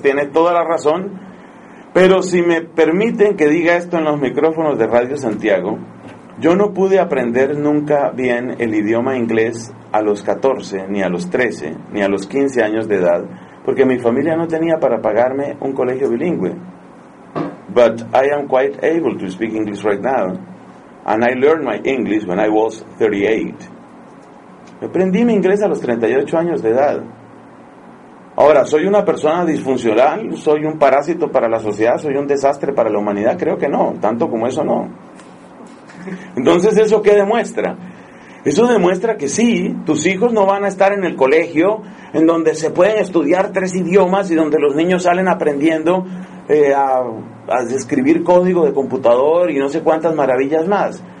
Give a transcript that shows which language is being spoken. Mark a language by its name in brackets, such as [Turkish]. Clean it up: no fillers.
[Spanish] Tiene toda la razón. Pero si me permiten que diga esto en los micrófonos de Radio Santiago, yo no pude aprender nunca bien el idioma inglés a los 14, ni a los 13, ni a los 15 años de edad, porque mi familia no tenía para pagarme un colegio bilingüe. [English] But I am quite able to speak English right now. And I learned my English when I was 38. [Spanish] Aprendí mi inglés a los 38 años de edad. Ahora, ¿soy una persona disfuncional? ¿Soy un parásito para la sociedad? ¿Soy un desastre para la humanidad? Creo que no, tanto como eso no. Entonces, ¿eso qué demuestra? Eso demuestra que sí, tus hijos no van a estar en el colegio en donde se pueden estudiar tres idiomas y donde los niños salen aprendiendo a escribir código de computador y no sé cuántas maravillas más.